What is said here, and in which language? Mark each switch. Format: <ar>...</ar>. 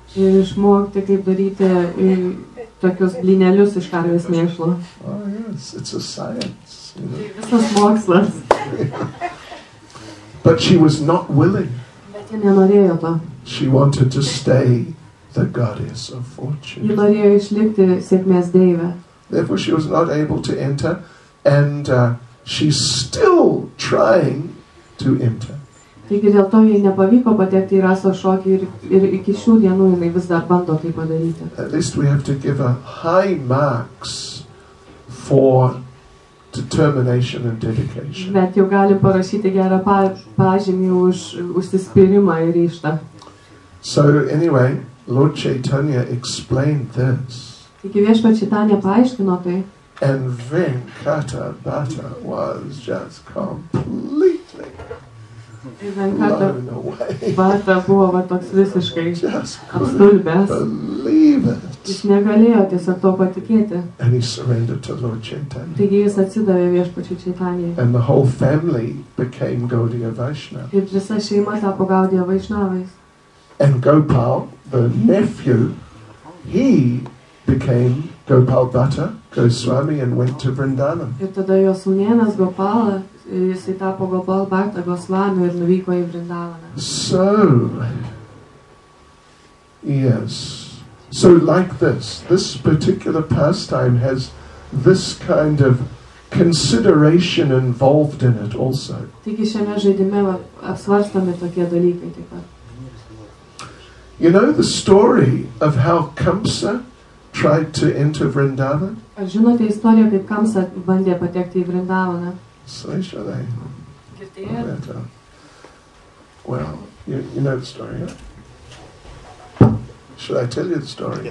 <lt>Ir išmokti, kaip daryti tokius blynelius iš karvės mėšlo.</lt> <en>Oh yes, it's a science.</en> <lt>Tai visas mokslas.</lt> <en>But she was not willing.</en> <lt>Bet ji nenorėjo to.</lt> <en>She wanted to stay the goddess of fortune.</en> <lt>Ji norėjo išlikti sėkmės deivė.</lt> <en>Therefore she was not able to enter, and she's still trying to enter.</en> <lt>Taigi dėl to jai nepavyko patekti į raso šokį ir iki šių dienų jinai vis dar bando tai padaryti.</lt> <en>At least we have to give a high marks for determination and dedication.</en> <lt>Bet jau galim parašyti gerą pažymį už užsispyrimą ir ryštą.</lt> <en>So anyway, Lord Chaitanya explained this.</en> <lt>Taigi viešpats Chaitanya paaiškino tai.</lt> <en>And Venkata Bhatta was just completely</en> <lt>Bhatta buvo va toks visiškai apstulbęs. Jis negalėjo tiesiog to patikėti.</lt> <en>And he surrendered to Lord Chaitanya.</en> <lt>Taigi jis atsidavė viešpačiui Chaitanyai.</lt> <en>And the whole family became Gaudiya Vaishnava.</en> <lt>Ir visa šeima tapo Gaudiya Vaishnavais.</lt> <en>And Gopal, the nephew, he became Gopal Bhatta, Goswami, and went to Vrindavan.</en> <lt>Ir tada jo sūnėnas Gopala, jisai tapo Gopal Bhatta Goswami ir nuvyko į Vrindavaną.</lt> <en>So, yes. So like this, this particular pastime has this kind of consideration involved in it also.</en> <lt>Taigi šiame žaidime apsvarstami tokie dalykai taip pat.</lt> <en>You know the story of how Kamsa tried to enter Vrindavan?</en> <lt>Ar žinote istoriją, kaip Kamsa bandė patekti į Vrindavaną? Girdėjote?</lt> <en>Well, you know the story, yeah? Should I tell you the story?</en>